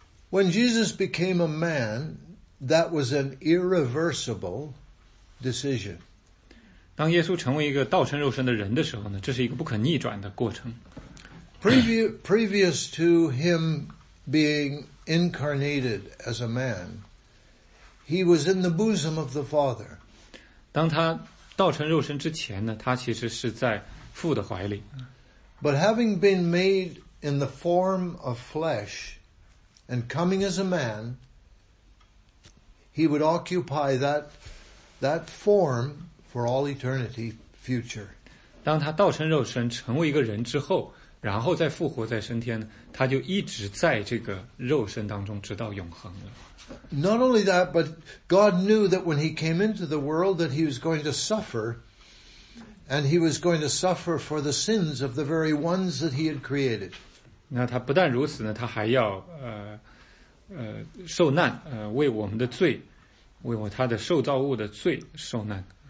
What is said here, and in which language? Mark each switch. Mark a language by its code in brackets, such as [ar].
[en] When Jesus became a man, that was an irreversible decision. [zh] 当耶稣成为一个道成肉身的人的时候呢，这是一个不可逆转的过程。 [en] Previous to him being incarnated as a man, he was in the bosom of the Father. [zh] 当他道成肉身之前呢，他其实是在父的怀里。 [en] But having been made in the form of flesh and coming as a man, he would occupy that form. For all eternity future. [zh] 当他道成肉身成为一个人之后，然后再复活再升天，他就一直在这个肉身当中直到永恒了。 [en] Not only that, but God knew that when he came into the world that he was going to suffer, and he was going to suffer for the sins of the very ones that he had created. [zh] 那他不但如此呢，他还要受难，为我们的罪，为我他的受造物的罪受难。